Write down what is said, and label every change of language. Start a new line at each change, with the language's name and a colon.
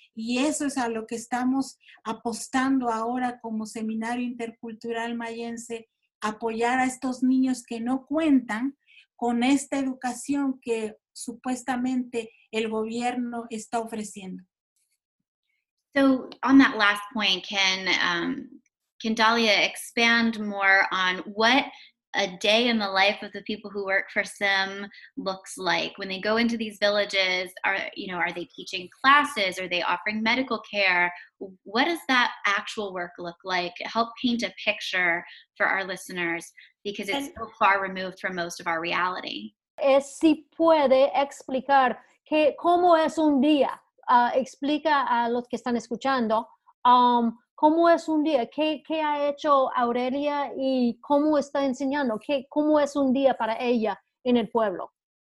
Spanish: Y eso es a lo que estamos apostando ahora como Seminario Intercultural Mayense, apoyar a estos niños que no cuentan con esta educación que supuestamente el gobierno está ofreciendo.
English: So on that last point, can Dalia expand more on what a day in the life of the people who work for SIM looks like? When they go into these villages, are they teaching classes? Are they offering medical care? What does that actual work look like? Help paint a picture for our listeners, because it's so far removed from most of our reality.
Spanish: Es si puede explicar que cómo es un día. Explica a los que están escuchando cómo es un día, qué ha hecho Aurelia y cómo está enseñando, cómo es un día para ella en el pueblo.